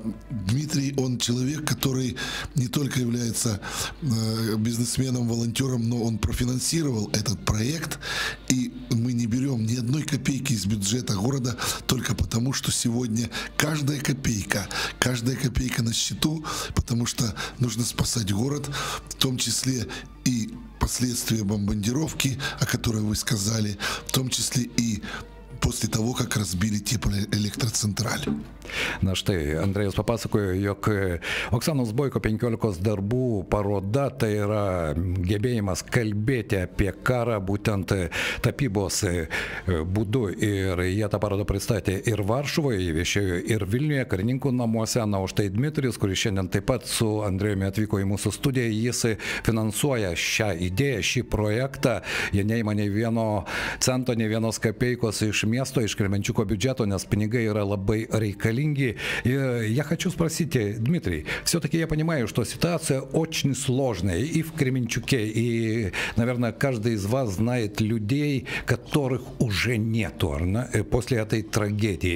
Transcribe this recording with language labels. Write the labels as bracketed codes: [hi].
[ru] Дмитрий, он человек, который не только является бизнесменом, волонтером, но он профинансировал этот проект, и мы не берем ни одной копейки из бюджета города только потому, что сегодня каждая копейка на счету, потому что нужно спасать город, в том числе и последствия бомбардировки, о которой вы сказали, в том числе и после того, как разбили теплоэлектроцентраль. На что, Андрей, я попасакую, как [lt] Оксана Збойко 15 darbų paroda, это yra gebėjimas kalbėti apie karą būtent tapybos būdu. Ir jie tą parodą pristatė ir Varšuvoje, viešėjo ir Vilniuje, karininkų namuose. Na, o štai Dmitrijus, kuris šiandien taip pat su Andrejumi atvyko į mūsų studiją, jis finansuoja šią idėją, šį projektą. Jie neima nei vieno cento, nei vienos kapeikos iš miesto, iš Kremenčiuko biudžeto, nes pinigai yra labai reikalingi. [ru] Я хочу спросить, Дмитрий, все-таки я понимаю, что ситуация очень сложная и в Кременчуке, и, наверное, каждый из вас знает людей, которых уже нету после этой трагедии.